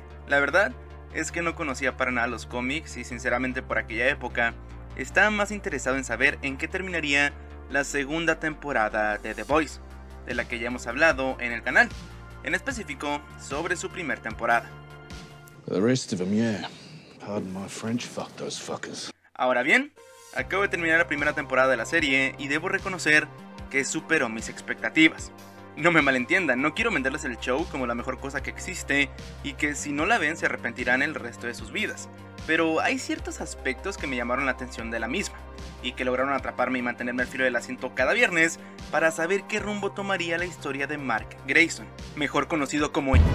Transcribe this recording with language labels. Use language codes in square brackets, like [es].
[es] La verdad es que no conocía para nada los cómics y sinceramente por aquella época estaba más interesado en saber en qué terminaría la segunda temporada de The Boys, de la que ya hemos hablado en el canal, en específico sobre su primera temporada. [en] The rest of them, yeah. Pardon my French, fuck those fuckers. [es] Ahora bien, acabo de terminar la primera temporada de la serie y debo reconocer que superó mis expectativas. No me malentiendan, no quiero venderles el show como la mejor cosa que existe y que si no la ven se arrepentirán el resto de sus vidas, pero hay ciertos aspectos que me llamaron la atención de la misma y que lograron atraparme y mantenerme al filo del asiento cada viernes para saber qué rumbo tomaría la historia de Mark Grayson, mejor conocido como...